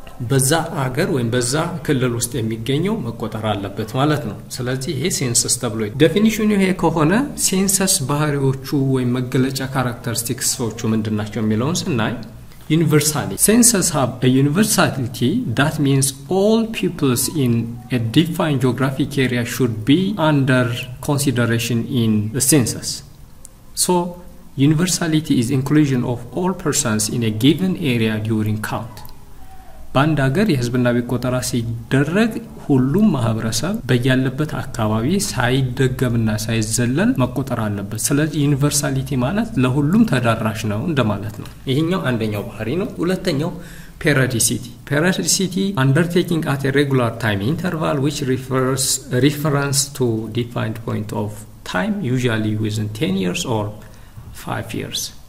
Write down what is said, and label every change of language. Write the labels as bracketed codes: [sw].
[am] በዛ አገር ወይም በዛ ክልል ውስጥ የሚገኘው መቆጠር አለበት ማለት ነው። ስለዚህ ይሄ ሴንሰስ ተብሎ ዴፊኒሽኑ ይሄ ከሆነ ሴንሰስ ባህሪዎቹ ወይም መገለጫ ካራክተሪስቲክስዎቹ ምንድናቸው የሚለውን ስናይ [en] ዩኒቨርሳሊቲ ሴንሰስ ሃብ አ ዩኒቨርሳሊቲ ዳት ሚንስ ኦል ፒፕልስ ኢን አ ዲፋይንድ ጂኦግራፊክ ኤሪያ ሹድ ቢ አንደር ኮንሲደሬሽን ኢን ዘ ሴንሰስ ሶ Universality is inclusion of all persons in a given area during count. [am] ባንድ ሀገር የህዝብና ቢቆጠራ ሲደረግ ሁሉም ማህበረሰብ በያለበት አካባቢ ሳይደገምና ሳይዘለል መቆጠር አለበት። ስለዚህ ዩኒቨርሳሊቲ ማለት ለሁሉም ተዳራሽ ነው እንደማለት ነው። ይሄኛው አንደኛው ባህሪ ነው። ሁለተኛው periodicity. [en] Periodicity undertaking at a regular time interval which refers to defined point of time usually within 10 years or 5 years.